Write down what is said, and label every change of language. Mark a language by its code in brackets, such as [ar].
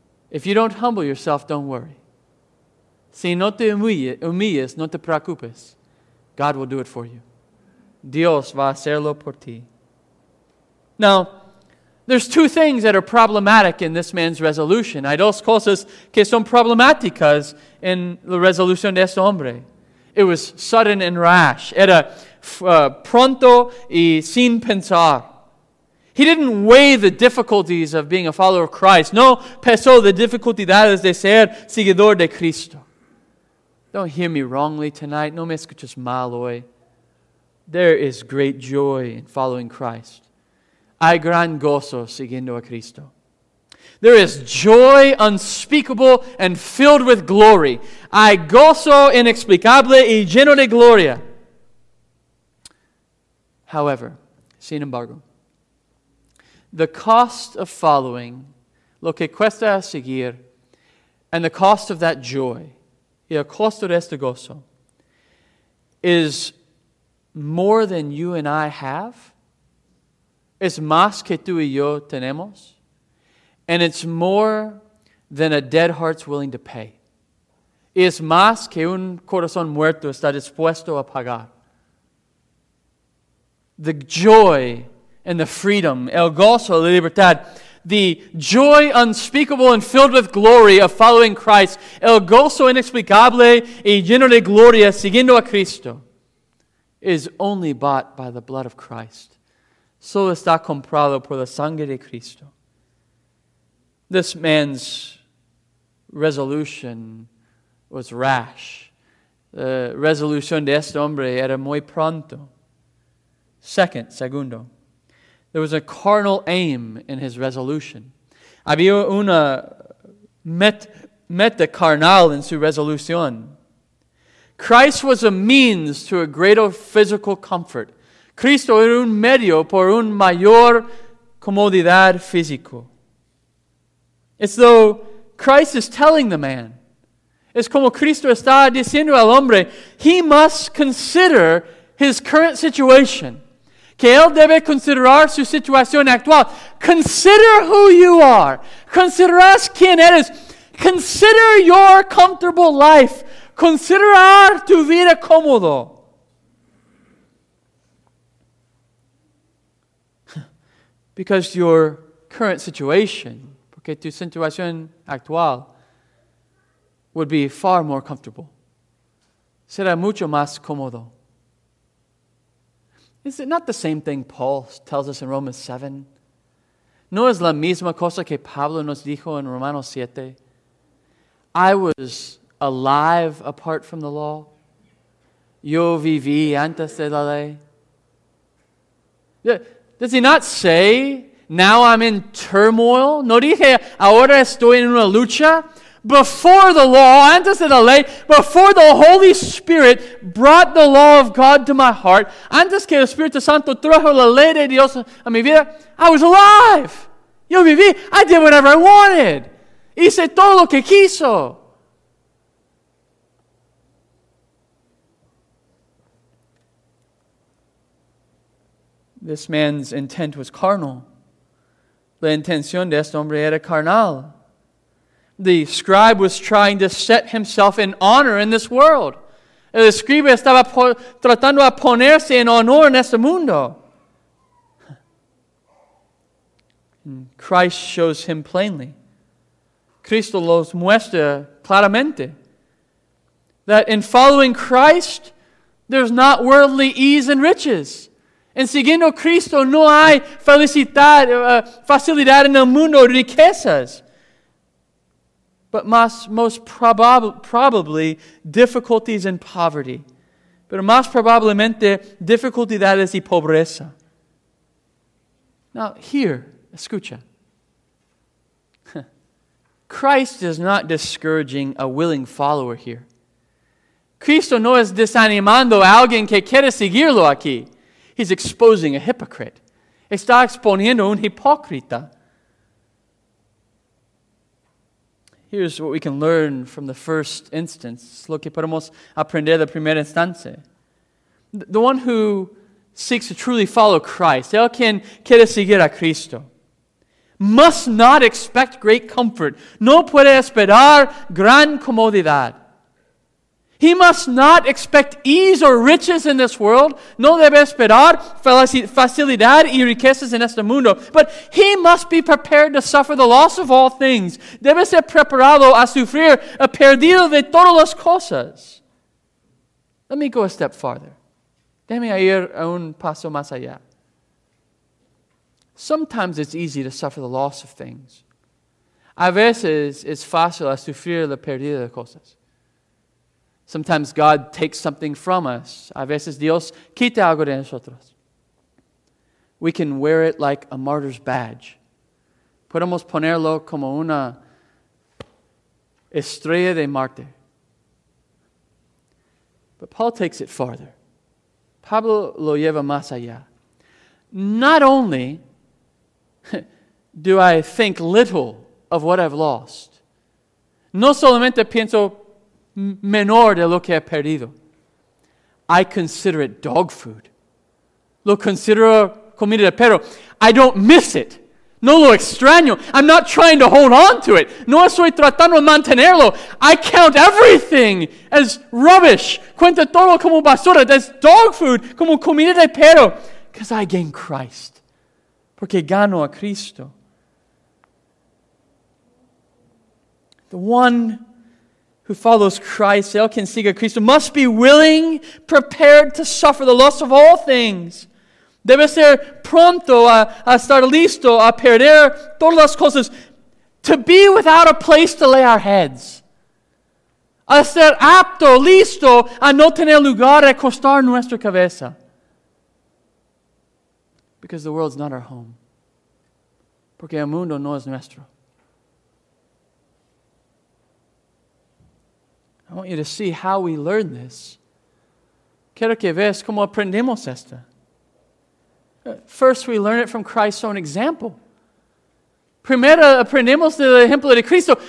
[en] If you don't humble yourself, don't worry. [es] Si no te humillas, no te preocupes. [en] God will do it for you. [es] Dios va a hacerlo por ti. [en] Now, there's two things that are problematic in this man's resolution. [es] Hay dos cosas que son problemáticas en la resolución de este hombre. [en] It was sudden and rash. [es] Era pronto y sin pensar. [en] He didn't weigh the difficulties of being a follower of Christ. [es] No pesó la dificultad de ser seguidor de Cristo. [en] Don't hear me wrongly tonight. [es] No me escuches mal hoy. [en] There is great joy in following Christ. [es] Hay gran gozo siguiendo a Cristo. [en] There is joy unspeakable and filled with glory. [es] Hay gozo inexplicable y lleno de gloria. [en] However, [es] sin embargo, [en] the cost of following, [es] lo que cuesta seguir, [en] and the cost of that joy, [es] y el costo de este gozo, [en] is more than you and I have. [es] Es más que tú y yo tenemos. [en] And it's more than a dead heart's willing to pay. [es] Es más que un corazón muerto está dispuesto a pagar. [en] The joy and the freedom, [es] el gozo, la libertad, [en] the joy unspeakable and filled with glory of following Christ, [es] el gozo inexplicable y lleno de gloria siguiendo a Cristo, [en] is only bought by the blood of Christ. [es] Solo está comprado por la sangre de Cristo. [en] This man's resolution was rash. [es] The resolución de este hombre era muy pronto. Segundo, [en] there was a carnal aim in his resolution. [es] Había una meta carnal en su resolución. [en] Christ was a means to a greater physical comfort. [es] Cristo era un medio por un mayor comodidad físico. [en] It's though Christ is telling the man. [es] Es como Cristo está diciendo al hombre, [en] he must consider his current situation. [es] Que él debe considerar su situación actual. [en] Consider who you are. Consider us [es] quién eres. [en] Consider your comfortable life. [es] Considerar tu vida cómodo. [en] Because your current situation, [es] porque tu situación actual, [en] would be far more comfortable. [es] Será mucho más cómodo. [en] Is it not the same thing Paul tells us in Romans 7? [es] ¿No es la misma cosa que Pablo nos dijo en Romanos 7? [en] I was alive apart from the law. [es] Yo viví antes de la ley. [en] Does he not say, now I'm in turmoil? [es] ¿No dije, ahora estoy en una lucha? [en] Before the law, [es] antes de la ley, [en] before the Holy Spirit brought the law of God to my heart, [es] antes que el Espíritu Santo trajo la ley de Dios a mi vida, [en] I was alive. [es] Yo viví. [en] I did whatever I wanted. [es] Hice todo lo que quiso. [en] This man's intent was carnal. [es] La intención de este hombre era carnal. [en] The scribe was trying to set himself in honor in this world. [es] El escriba estaba tratando de ponerse en honor en este mundo. [en] And Christ shows him plainly. [es] Cristo los muestra claramente. [en] That in following Christ, there's not worldly ease and riches. [es] En siguiendo a Cristo no hay felicidad, facilidad en el mundo, riquezas. [en] But most probably difficulties and poverty. [es] Pero más probablemente dificultades y pobreza. [en] Now, here, [es] escucha. [en] Christ is not discouraging a willing follower here. [es] Cristo no es desanimando a alguien que quiere seguirlo aquí. [en] He's exposing a hypocrite. [es] Está exponiendo un hipócrita. [en] Here's what we can learn from the first instance. [es] Lo que podemos aprender de primera instancia. [en] The one who seeks to truly follow Christ, [es] el quien quiere seguir a Cristo, [en] must not expect great comfort. [es] No puede esperar gran comodidad. [en] He must not expect ease or riches in this world. [es] No debe esperar facilidad y riquezas en este mundo. [en] But he must be prepared to suffer the loss of all things. [es] Debe ser preparado a sufrir el perdido de todas las cosas. [en] Let me go a step farther. [es] Déjame ir a un paso más allá. [en] Sometimes it's easy to suffer the loss of things. [es] A veces es fácil a sufrir la pérdida de cosas. [en] Sometimes God takes something from us. [es] A veces Dios quita algo de nosotros. [en] We can wear it like a martyr's badge. [es] Podemos ponerlo como una estrella de mártir. [en] But Paul takes it farther. [es] Pablo lo lleva más allá. [en] Not only do I think little of what I've lost, [es] no solamente pienso menor de lo que he perdido, [en] I consider it dog food. [es] Lo considero comida de perro. [en] I don't miss it. [es] No lo extraño. [en] I'm not trying to hold on to it. [es] No estoy tratando de mantenerlo. [en] I count everything as rubbish. [es] Cuento todo como basura. [en] That's dog food. [es] Como comida de perro. [en] Because I gain Christ. [es] Porque gano a Cristo. [en] The one who follows Christ, [es] el quien sigue a Cristo, [en] must be willing, prepared to suffer the loss of all things. [es] Debe ser pronto a estar listo a perder todas las cosas. [en] To be without a place to lay our heads. [es] A ser apto, listo a no tener lugar a acostar nuestra cabeza. [en] Because the world's not our home. [es] Porque el mundo no es nuestro. [en] I want you to see how we learn this. [es] Quiero que veas cómo aprendemos esto. [en] First, we learn it from Christ's own example. [es] Primero, aprendemos del ejemplo de Cristo.